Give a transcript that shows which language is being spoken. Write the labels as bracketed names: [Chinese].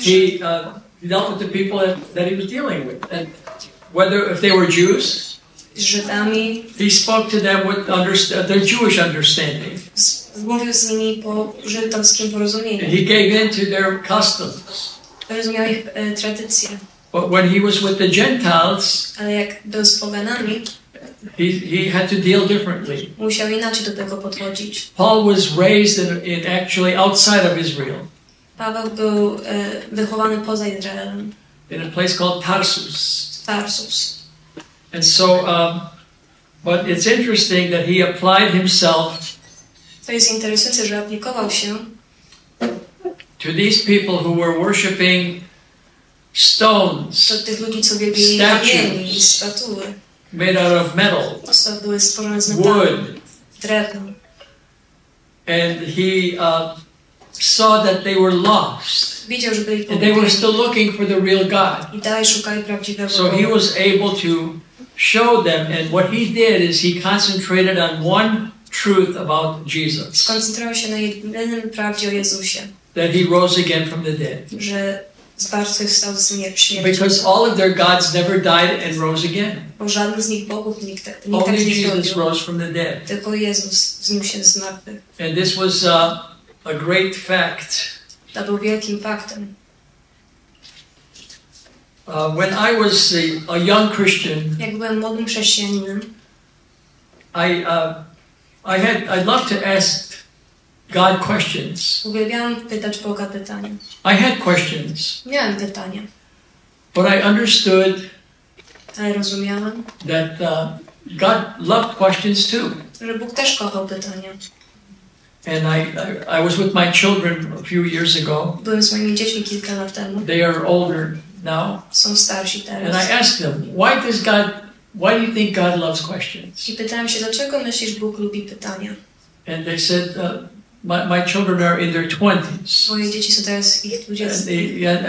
[English] szedł, he dealt with the people that he was dealing with, and whether if they were Jews. [Polish] Żydami. [English] He spoke to them with their Jewish understanding. [Polish] Mówił z nimi po żydowskim porozumieniu. [English] He gave in to their customs. [Polish] Rozumiał ich tradycje. [English] But when he was with the Gentiles, [Polish] ale jak był z poganami, [English] he had to deal differently. [Polish] Musiał inaczej do tego podchodzić. [English] Paul was raised in actually outside of Israel. [Polish] Paweł był wychowany poza Izraelem. [English] In a place called Tarsus. [Polish] Tarsus. [English] And so, but it's interesting that he applied himself [Polish] to, jest interesujące, że aplikował się [English] to these people who were worshiping stones, [Polish] to tych ludzi, co wielbili kamienie, statuły, [English] made out of metal, [Polish] co były stworzone z metalu, [English] wood, [Polish] drewno. [English] And he saw that they were lost. [Polish] Widział, że byli pogubieni. [English] And they were still looking for the real God. [Polish] I dalej szukali prawdziwego [English] Boga. So he was able to showed them, and what he did is he concentrated on one truth about Jesus. [Polish] Skoncentrował się na jednym prawdzie o Jezusie. [English] That he rose again from the dead. [Polish] Że zmartwychwstał z śmierci. [English] Because all of their gods never died and rose again. [Polish] Bo żaden z nich bogów nikt tak nie zrobił. [English] Only Jesus rose from the dead. [Polish] Tylko Jezus wznosił się z martwych. [English] And this was a great fact. [Polish] To był wielkim faktem. [English] When I was a young Christian, [Polish] jak byłem młodym chrześcijaninem, [English] I loved to ask God questions. [Polish] Uwielbiałam pytać Boga pytania. [English] I had questions. [Polish] Miałem pytania. [English] But I understood. [Polish] Ale rozumiałam. [English] That God loved questions too. [Polish] Że Bóg też kochał pytania. [English] And I was with my children a few years ago. [Polish] Byłem z moimi dziećmi kilka lat temu. [English] They are older now. [Polish] Są starsi teraz. [English] And I asked them, why do you think God loves questions? [Polish] I pytałem się, dlaczego myślisz, Bóg lubi pytania? [English] And they said, my children are in their 20s. [Polish] Moje dzieci są teraz ich 20.